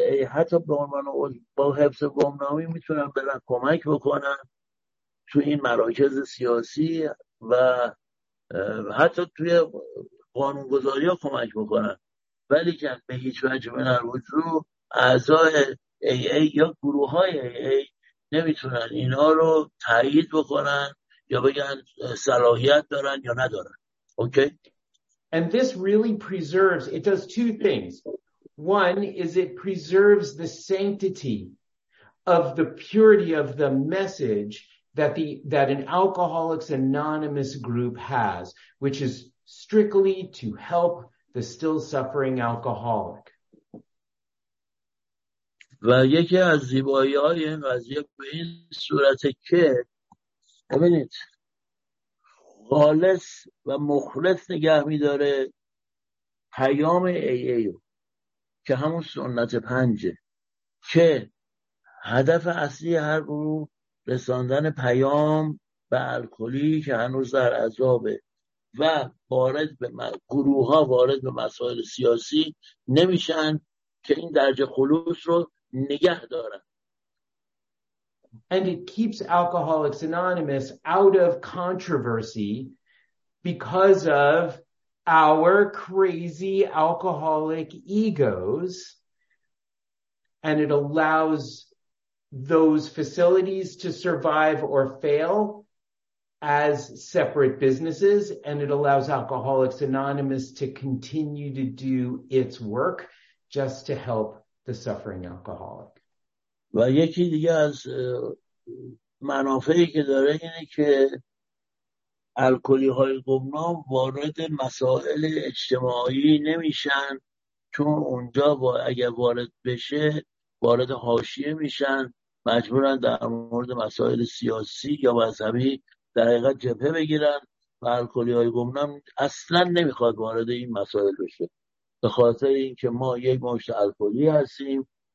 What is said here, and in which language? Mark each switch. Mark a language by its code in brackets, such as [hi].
[fa] حتی به عنوان عضو با حفظ گمنامی میتونن برن کمک بکنن تو این مراکز سیاسی و حتی توی قانونگذاری ها کمک بکنن، ولی که به هیچ وجه من در وجود اعضای AA یا گروه های AA نمیتونن اینا رو تایید بکنن یا بگن صلاحیت دارن یا ندارن. اوکی؟ [en] And this really preserves, it does two things. One is it preserves the sanctity of the purity of the message that an Alcoholics Anonymous group has, which is strictly to help the still suffering alcoholic. [fa] و یکی از زیبایی های این قضیه به این صورته که ببینید خالص و مخلص نگه می‌داره پیام ای ای رو که همون سنت پنجه، که هدف اصلی هر گروه رساندن پیام به الکلی که هنوز در عذابه و وارد به گروه ها وارد به مسائل سیاسی نمیشن که این درجه خلوص رو نگه دارن. [en] And it keeps Alcoholics Anonymous out of controversy because of our crazy alcoholic egos, and it allows those facilities to survive or fail as separate businesses, and it allows Alcoholics Anonymous to continue to do its work just to help the suffering alcoholic. [fa] و یکی دیگه از منافعی که داره اینه که الکلی‌های گمنام وارد مسائل اجتماعی نمیشن، چون اونجا اگه وارد بشه وارد حاشیه میشن، مجبورن در مورد مسائل سیاسی یا مذهبی در حقیقت جبهه بگیرن و الکلی‌های گمنام اصلا نمیخواد وارد این مسائل بشه به خاطر این که ما یک مشت الکلی هستیم